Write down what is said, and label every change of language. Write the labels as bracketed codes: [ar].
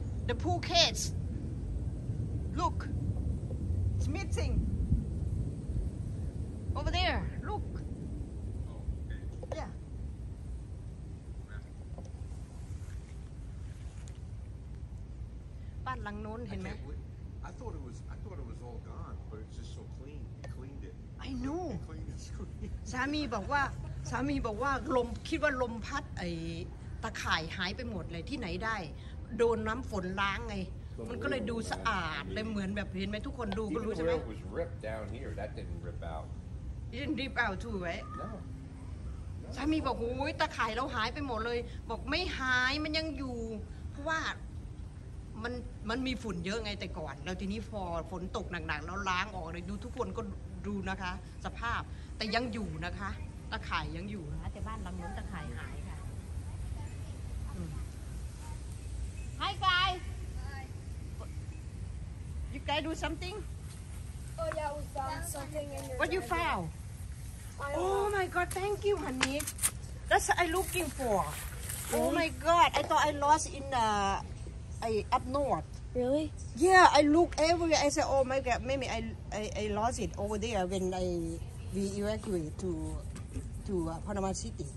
[en] The pool cage. Look, it's missing. Over there. Look. [th] Yeah. บ้านหลังโน้นเห็นไหม [en] I thought it was all gone, but it's just so clean. You cleaned it. I know. [th] สามีบอกว่าสามีบอกว่าลมคิดว่าลมพัดไอ้ตะข่ายหายไปหมดเลยที่ไหนได้โดนน้ำฝนล้างไงมันก็เลยดูสะอาดเลยเหมือนแบบเห็นไหมทุกคนดูก็รู้ใช่ไหม [en] It was ripped down here. That didn't rip out. It didn't rip out too, right? No. [th] สามีบอกโอ้ยตะข่ายเราหายไปหมดเลยบอกไม่หายมันยังอยู่เพราะว่ามันมีฝุ่นเยอะไงแต่ก่อนแล้วทีนี้พอฝนตกหนักๆแล้วล้างออกเลยดูทุกคนก็ดูนะคะสภาพแต่ยังอยู่นะคะตะข่ายยังอยู่นะแต่บ้านลำน้ำตะข่ายหายค่ะ [en] Hi guys Hi. You guys do something Oh yeah we found something in your What you found Oh my god thank you honey That's what I looking for Oh my god I thought I lost in theI up north. Really? Yeah, I look everywhere. I say, oh my god, maybe I lost it over there when we evacuate to Panama City.